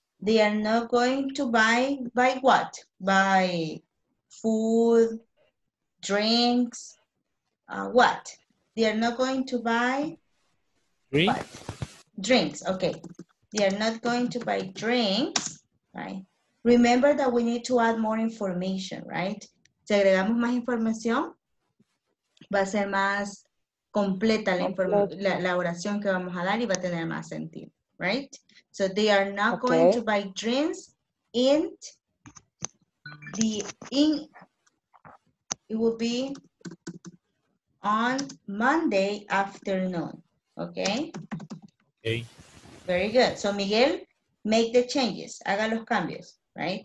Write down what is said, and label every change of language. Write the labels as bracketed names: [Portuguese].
[English] They are not going to buy what? Buy food, drinks, what? They are not going to buy? Drinks, okay. They are not going to buy drinks, right? Remember that we need to add more information, right? [Spanish] Si agregamos más información, va a ser más... completa la oración que vamos a dar y va a tener más sentido, right? [English] So they are not going to buy drinks on Monday afternoon, okay? Okay. Very good. So Miguel, make the changes, [Spanish] haga los cambios, [English] right?